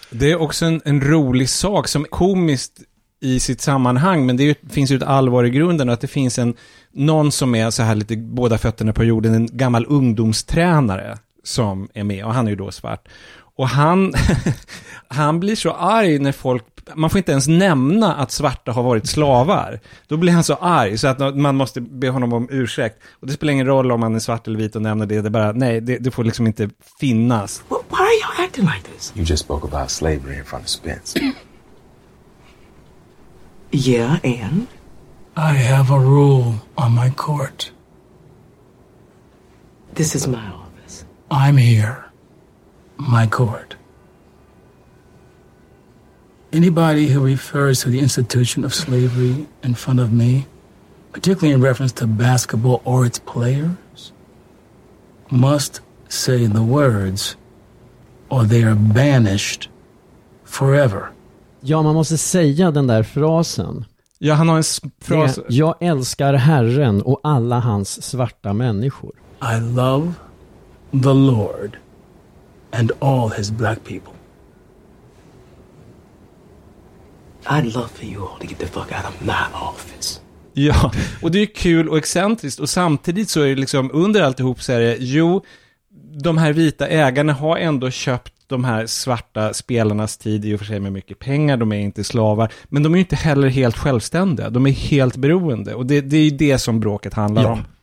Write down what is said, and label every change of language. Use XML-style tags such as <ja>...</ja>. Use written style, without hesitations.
<sv>Det är också en rolig sak som är komiskt i sitt sammanhang, men det finns ju ett allvar i grunden, och att det finns någon som är så här lite båda fötterna på jorden, en gammal ungdomstränare som är med, och han är ju då svart. Och han blir så arg när folk, man får inte ens nämna att svarta har varit slavar. Då blir han så arg så att man måste be honom om ursäkt. Och det spelar ingen roll om man är svart eller vit och nämner det. Det är bara, nej, det får liksom inte finnas.</sv> <en>Well, why are you acting like this? You just spoke about slavery in front of Spence. Yeah, and? I have a rule on my court. This is my office. I'm here. My court. Anybody who refers to the institution of slavery in front of me, particularly in reference to basketball or its players, must say the words, or they are banished forever.</en> <sv>Ja, man måste säga den där frasen. Ja, han har en fras. Jag älskar Herren och alla hans svarta människor.</sv> <en>I love the Lord and all his black people. I'd love for you all to get the fuck out of my office.</en> <sv>Ja, och det är kul och excentriskt. Och samtidigt så är det liksom under alltihop så är det, jo, de här vita ägarna har ändå köpt de här svarta spelarnas tid i och för sig med mycket pengar, de är inte slavar, men de är inte heller helt självständiga, de är helt beroende, och det är ju det som bråket handlar om.</sv>